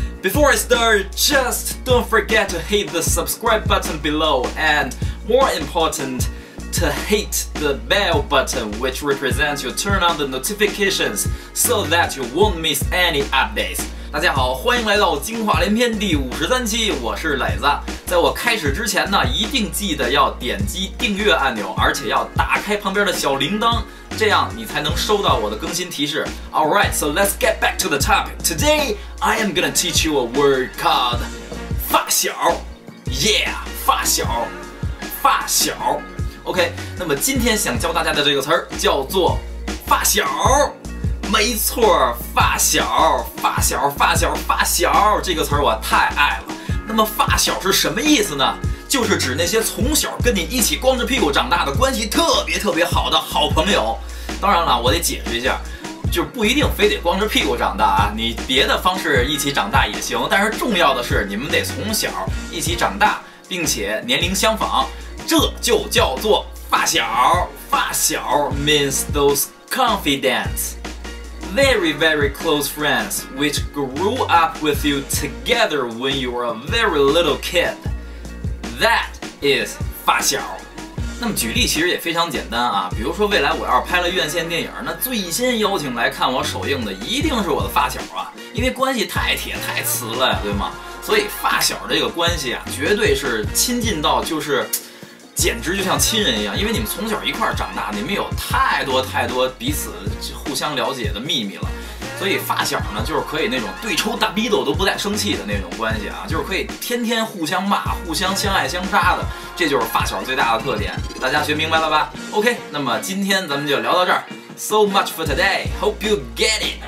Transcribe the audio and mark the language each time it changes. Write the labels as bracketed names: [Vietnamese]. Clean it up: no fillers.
[English] Before I start, just don't forget to hit the subscribe button below, and more important, to hit the bell button, which represents you turn on the notifications, so that you won't miss any updates. [Chinese] 大家好，欢迎来到京话连篇第53期，我是磊子。在我开始之前呢，一定记得要点击订阅按钮，而且要打开旁边的小铃铛，这样你才能收到我的更新提示。 [English] Alright, so let's get back to the topic. Today, I am gonna teach you a word called 发小。 Yeah, 发小，发小。 [Chinese] OK, 那么今天想教大家的这个词叫做发小。没错，发小，发小，发小，发小，这个词儿我太爱了。那么发小是什么意思呢？就是指那些从小跟你一起光着屁股长大的，关系特别特别好的好朋友。当然了，我得解释一下，就不一定非得光着屁股长大啊，你别的方式一起长大也行，但是重要的是你们得从小一起长大，并且年龄相仿，这就叫做发小。 [English] 发小 means those confidants. Very, very close friends, which grew up with you together when you were a very little kid. That is 发小。 [Chinese] 那么举例其实也非常简单啊，比如说未来我要是拍了院线电影，那最先邀请来看我首映的一定是我的发小啊，因为关系太铁太磁了呀，对吗？所以发小这个关系啊，绝对是亲近到就是简直就像亲人一样，因为你们从小一块长大，你们有太多太多彼此互相了解的秘密了。所以发小呢，就是可以那种对抽大逼斗都不带生气的那种关系啊，就是可以天天互相骂，互相相爱相杀的，这就是发小最大的特点。大家学明白了吧？ OK, 那么今天咱们就聊到这儿。 [English] So much for today, hope you get it.